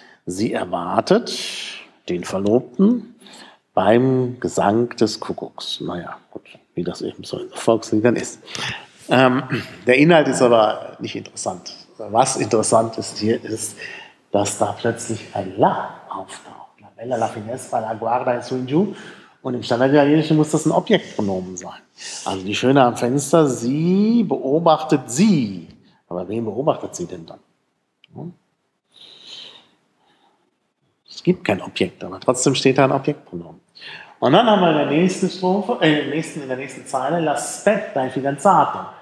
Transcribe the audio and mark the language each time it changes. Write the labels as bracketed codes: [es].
[de] Sie erwartet den Verlobten beim Gesang des Kuckucks. Naja, gut, wie das eben so in Volksliedern ist. Der Inhalt ist aber nicht interessant. Was interessant ist hier, ist, dass da plötzlich ein La auftaucht. [it] Bella la finestra, la guarda in su in giù. [de] Und im Standarditalienischen muss das ein Objektpronomen sein. Also die Schöne am Fenster, sie beobachtet sie. Aber wen beobachtet sie denn dann? Es gibt kein Objekt, aber trotzdem steht da ein Objektpronomen. Und dann haben wir in der nächsten Strophe, in der nächsten Zeile, [it] l'aspetta il fidanzato.